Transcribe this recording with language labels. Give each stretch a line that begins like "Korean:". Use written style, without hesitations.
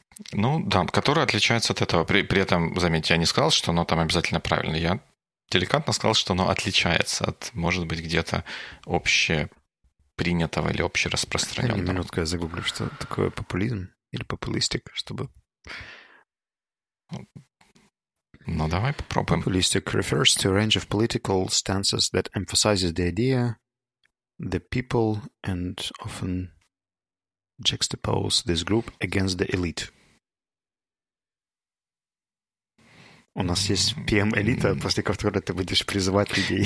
Russian: Ну да, которое отличается от этого. При этом, заметьте, я не сказал, что оно там обязательно правильно. Я деликатно сказал, что оно отличается от, может быть, где-то общепринятого или общераспространенного. Минутку, я загуглю, что такое популизм или популистик, чтобы... Ну, давай попробуем.
English: Populistic refers to a range of political stances that emphasizes the idea, the people, and often juxtapose this group against the elite.
Russian: У нас есть PM-элита, после которой ты будешь призывать людей.